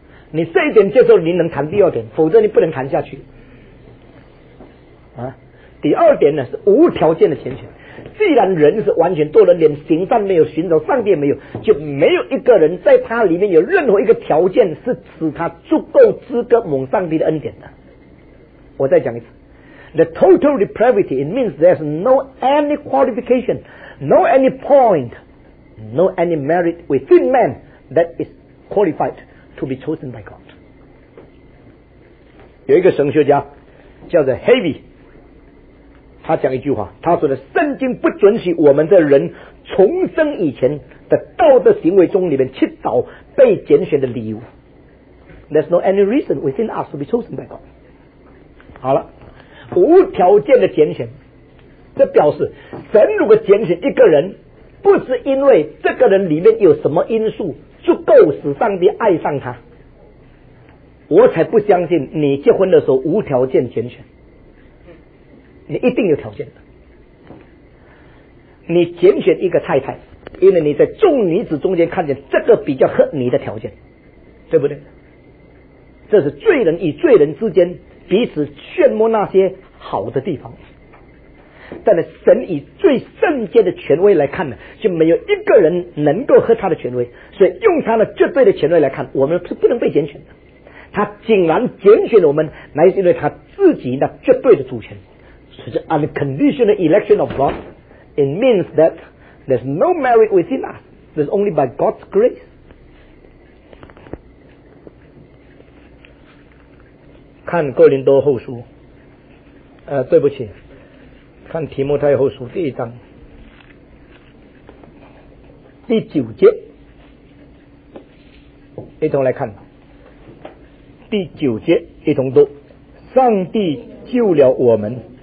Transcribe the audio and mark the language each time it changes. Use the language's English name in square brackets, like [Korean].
[Chinese] 你这一点接受，你能谈第二点，否则你不能谈下去啊。第二点呢，是无条件的拣选。既然人是完全堕落，连行善没有，寻找上帝也没有，就没有一个人在他里面有任何一个条件是使他足够资格蒙上帝的恩典的。我再讲一次， [English] The total depravity it means there's no any qualification, no any point, no any merit within man that is qualified to be chosen by God。 [Chinese] 有一个神学家叫做 Heavy，他讲一句话，他说的圣经不准许我们的人重生以前的道德行为中里面去找被拣选的理由。 [English] There's no any reason within us to be chosen by God。 [Chinese] 好了，无条件的拣选，这表示神如果拣选一个人，不是因为这个人里面有什么因素足够使上帝爱上他。我才不相信你结婚的时候无条件拣选，你一定有条件的。你拣选一个太太，因为你在众女子中间看见这个比较合你的条件，对不对？这是罪人与罪人之间彼此炫耀那些好的地方。但是神以最圣洁的权威来看呢，就没有一个人能够合他的权威，所以用他的绝对的权威来看，我们是不能被拣选的。他竟然拣选我们，乃是因为他自己的绝对的主权。 [English] So the unconditional election of God, it means that there's no merit within us. There's only by God's grace. [Chinese] 看哥林多后书，对不起，看提摩太后书第一章第九节，一同来看第九节，一同读：上帝救了我们。